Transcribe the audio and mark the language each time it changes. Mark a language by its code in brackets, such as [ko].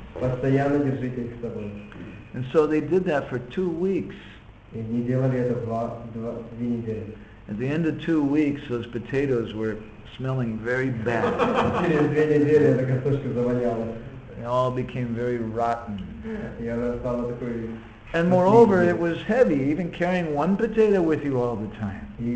[ru] постоянно держите их с собой. [en] And so they did that for 2 weeks. [ru] И они делали это две недели. [en] At the end of 2 weeks, those potatoes were smelling very bad. [ru] Через две недели эта картошка завоняла. [en] It all became very rotten. [ru] И она стала такой. [en] And moreover, it was heavy, even carrying one potato with you all the time.